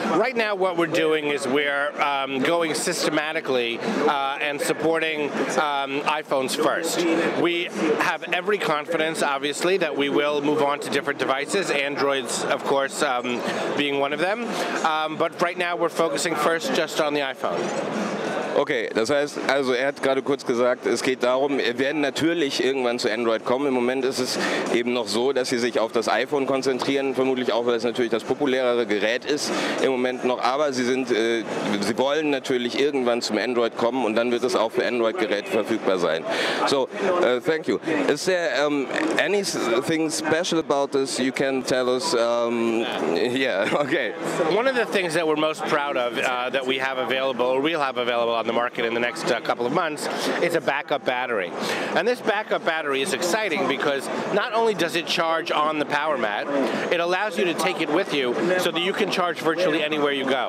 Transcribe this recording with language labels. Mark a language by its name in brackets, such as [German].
[English] Right now what we're doing is we're going systematically and supporting iPhones first. We have every confidence, obviously, that we will move on to different devices, Androids, of course, being one of them. But right now we're focusing first just on the iPhone. [German] Okay, das heißt, also er hat gerade kurz gesagt, es geht darum, wir werden natürlich irgendwann zu Android kommen. Im Moment ist es eben noch so, dass sie sich auf das iPhone konzentrieren, vermutlich auch, weil es natürlich das populärere Gerät ist im Moment noch. Aber sie sind, sie wollen natürlich irgendwann zum Android kommen und dann wird es auch für Android-Geräte verfügbar sein. [English] So, thank you. Is there anything special about this you can tell us? Yeah, okay. One of the things that we're most proud of, that we have available, or we'll have available on the market in the next couple of months, is a backup battery. And this backup battery is exciting because not only does it charge on the power mat, it allows you to take it with you so that you can charge virtually anywhere you go.